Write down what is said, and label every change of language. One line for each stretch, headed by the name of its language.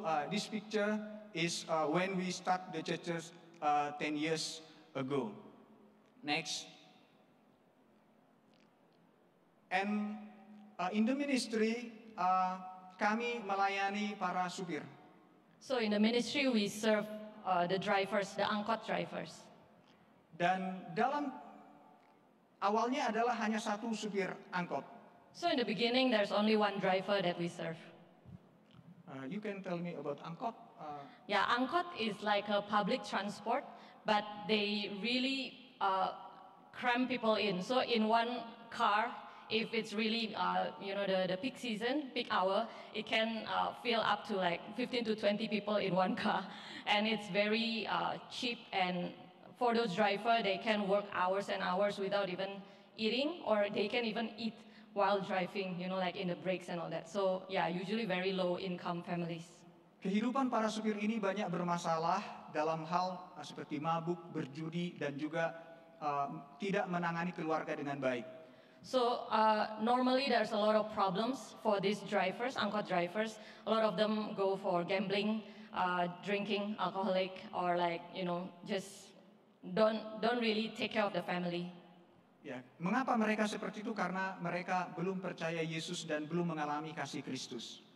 English: This picture is when we start the churches 10 years ago. Next. And in the ministry,
Indonesian: kami melayani para supir.
English: So in the ministry, we serve the drivers, the angkot drivers.
Indonesian: Dan dalam awalnya adalah hanya satu supir angkot.
English: So in the beginning, there's only one driver that we serve. You can tell me about angkot. Yeah, angkot is like a public transport, but they really cram people in. So in one car, if it's really the peak season, peak hour, it can fill up to like 15 to 20 people in one car, and it's very cheap. And for those drivers, they can work hours and hours without even eating, or they can even eat while driving, you know, like in the breaks and all that. So yeah, usually very low income families.
Indonesian: Kehidupan para supir ini banyak bermasalah dalam hal seperti mabuk, berjudi, dan juga tidak menangani keluarga dengan baik.
English: So normally there's a lot of problems for these drivers, angkot drivers. A lot of them go for gambling, drinking, alcoholic, or like, you know, just don't really take care of the family.
Indonesian: Yeah. Mengapa mereka seperti itu? Karena mereka belum percaya Yesus dan belum mengalami kasih Kristus.